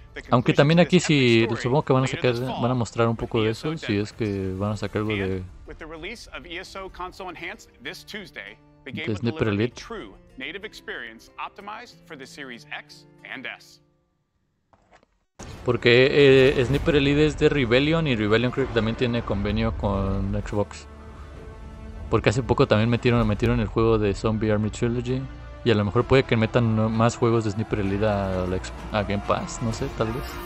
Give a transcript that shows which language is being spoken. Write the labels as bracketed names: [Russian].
[Spanish] Aunque también aquí sí, supongo que van a mostrar un poco de eso. Si es que van a sacar algo de [English] ESO Console Enhanced this Tuesday. Sniper Elite. True native experience optimized for the Series X and S. [Spanish] Porque Sniper Elite es de Rebellion y Rebellion creo que también tiene convenio con Xbox. Porque hace poco también metieron el juego de Zombie Army Trilogy. Y a lo mejor puede que metan más juegos de Sniper Elite a Game Pass, no sé, tal vez.